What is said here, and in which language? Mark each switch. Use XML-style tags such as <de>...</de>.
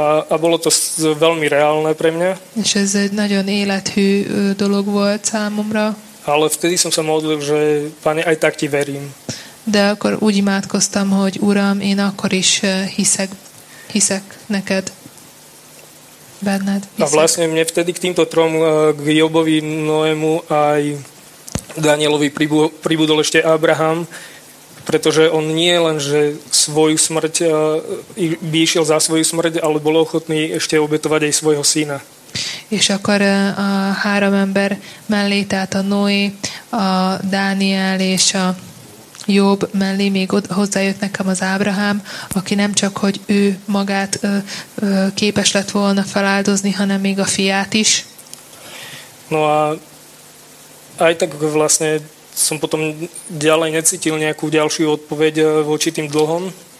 <sk>A bolo to veľmi reálne pre mňa.</sk> <hu>És ez egy nagyon élethű dolog volt számomra.</hu> <sk>Ale vtedy som sa modlil, že Pane, aj tak ti verím.</sk> <hu>De akkor úgy imádkoztam, hogy Uram, én akkor is hiszek neked, benned. Hiszek.</hu> <sk>A vlastne mne vtedy k týmto trom, k Jobovi, Noému aj Danielovi pribudol ešte Abraham, pretože on nie len, že svoju smrť by išiel za svoju smrť, ale bol ochotný ešte obetovať aj svojho syna.</sk> <hu>És akkor a három ember mellé, tehát a Noé, a Dániel és a Jób mellé még hozzájött nekem az Ábrahám, aki nem csak, hogy ő magát képes lett volna feláldozni, hanem még a fiát is.</hu> <sk>No a aj tak vlastne som potom ďalej necítil nejakú ďalšiu odpoveď voči tým dlhom.</sk>